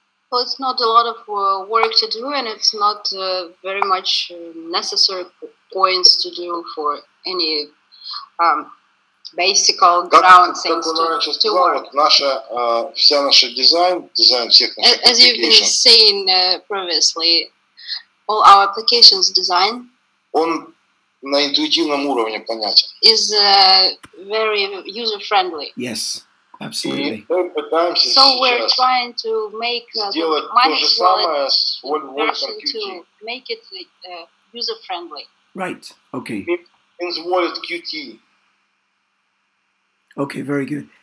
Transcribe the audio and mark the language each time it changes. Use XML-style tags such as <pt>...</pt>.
<en>Well, it's not a lot of work to do, and it's not very much necessary points to do for any basic ground things to work.</en> <ru>Наша дизайн всех наших.</ru> <en>As you've been saying previously, all our applications design.</en> <ru>Он на интуитивном уровне понятен.</ru> <en>Is very user friendly. Yes. Absolutely. So we're trying to make the Minexcoin version to make it user friendly. Right. Okay. In the wallet Qt. Okay. Very good.</en>